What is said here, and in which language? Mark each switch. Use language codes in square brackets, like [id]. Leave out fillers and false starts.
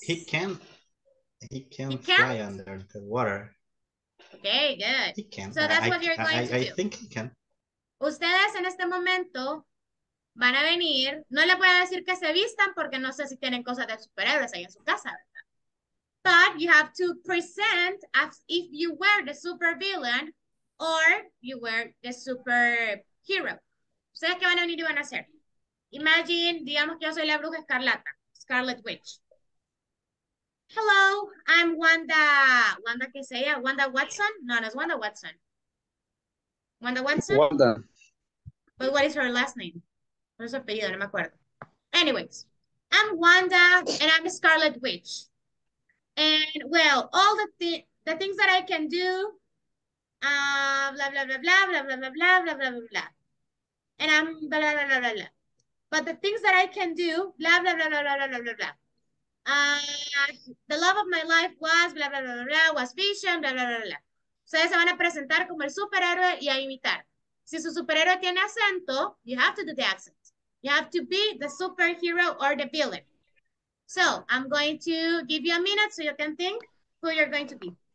[en] He can fly under the water. Okay, good. He can. So that's what you're going to do. I think he can. [es] Ustedes en este momento van a venir. No le voy a decir que se vistan porque no sé si tienen cosas de superhéroes ahí en su casa, ¿verdad? [en] But you have to present as if you were the supervillain or you were the superhero. [es] ¿Ustedes qué van a venir y van a hacer? Imagine, digamos que yo soy la bruja escarlata, Scarlet Witch. [en] Hello, I'm [es] Wanda que sea, Wanda Watson? No, no, es Wanda Watson. Wanda Watson? Wanda. [en] But what is her last name? [es] No es su apellido, no me acuerdo. [en] Anyways, I'm Wanda and I'm a Scarlet Witch. And well, all the things that I can do, blah, blah, blah, blah, blah, blah, blah, blah, blah, blah, blah, blah. And I'm blah, blah, blah, blah, blah. But the things that I can do, blah, blah, blah, blah, blah, blah, blah, blah, blah. The love of my life was blah, blah, blah, blah, blah, was Vision, blah, blah, blah, blah. [es] Ustedes se van a presentar como el superhéroe y a imitar. Si su superhéroe tiene acento, [en] you have to do the accent. You have to be the superhero or the villain. So, I'm going to give you a minute so you can think who you're going to be.